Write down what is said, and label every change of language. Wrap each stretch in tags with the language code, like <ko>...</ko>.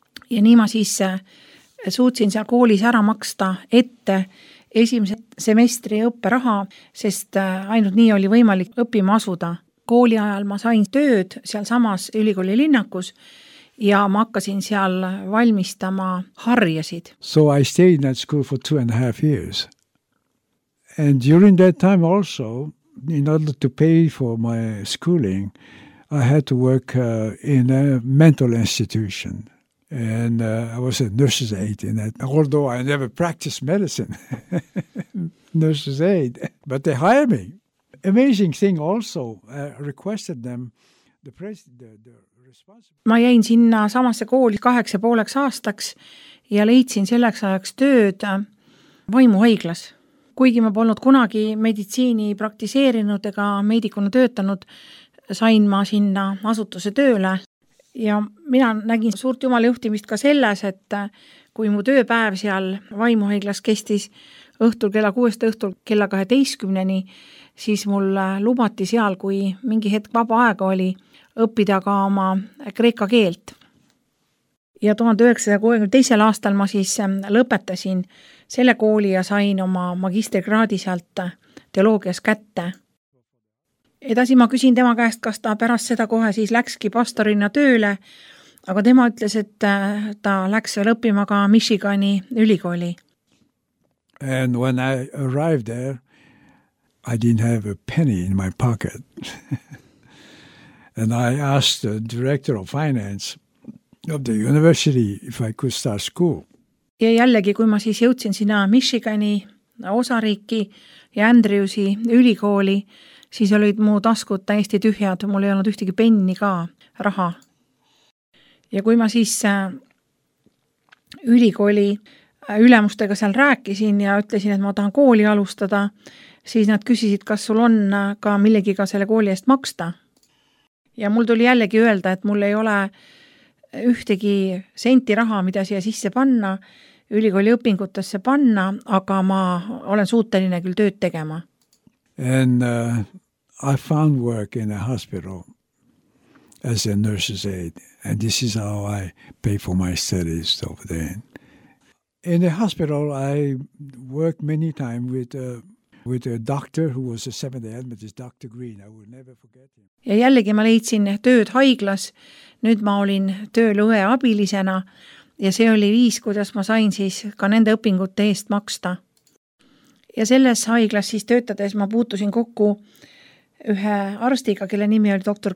<et>Ja nii ma siis suutsin seal koolis ära maksta ette esimese semestri õpperaha, sest ainult nii oli võimalik õppima asuda. Kooli ajal ma sain tööd seal samas ülikooli linnakus ja ma hakkasin seal valmistama harjasid.</et> <en>So I stayed in that school for 2.5 years. And during that time also, in order to pay for my schooling, I had to work in a mental institution. And I was a nurse's aide in that, although I never practiced medicine, nurse's aide, but they hired me. Amazing thing also requested them the president the responsible.</en> <et>Ma jäin sinna samasse kooli 8.5 aastaks ja leidsin selleks ajaks tööd vaimuhaiglas. Kuigi ma polnud kunagi meditsiini praktiseerinud ega meedikuna töötanud, sain ma sinna asutuse tööle. Ja mina nägin suurt jumala juhtimist ka selles, et kui mu tööpäev seal vaimuhaiglas kestis õhtul kella 6 õhtul kella 12, siis mul lubati seal, kui mingi hetk vaba aega oli, õppida ka oma kreeka keelt. Ja 1962. aastal ma siis lõpetasin selle kooli ja sain oma magistrikraadi sealt teoloogias kätte. Edasi ma küsin tema käest, kas ta pärast seda kohe siis läkski pastorina tööle, aga tema ütles, et ta läks veel õppima ka Michigani ülikooli.</et> <en>And when I arrived there, I didn't have a penny in my pocket. And I asked the director of finance of the university if I could start school.</en> <et>Ja jällegi, kui ma siis jõudsin sinna Michigani osariiki ja Andrewsi ülikooli, siis olid mu taskud täiesti tühjad, mul ei olnud ühtegi penni ka raha. Ja kui ma siis ülikooli ülemustega seal rääkisin ja ütlesin, et ma tahan kooli alustada, siis nad küsisid, kas sul on ka millegi ka selle kooli eest maksta. Ja mul tuli jällegi öelda, et mul ei ole ühtegi senti raha, mida siia sisse panna, ülikooli õpingutesse panna, aga ma olen suuteline küll tööd tegema.</et> <en>And I found work in a hospital as a nurse's aide. And this is how I pay for my studies over there. In the hospital, I worked many times with a doctor who was a Seventh-day Adventist, Dr. Green. I will never forget him.</en> <et>Ja jällegi ma leidsin tööd haiglas. Nüüd ma olin tööl õe abilisena ja see oli viis, kuidas ma sain siis ka nende õpingute eest maksta. Ja selles haiglas siis töötades ma puutusin kokku ühe arstiga, kelle nimi oli Dr.</et>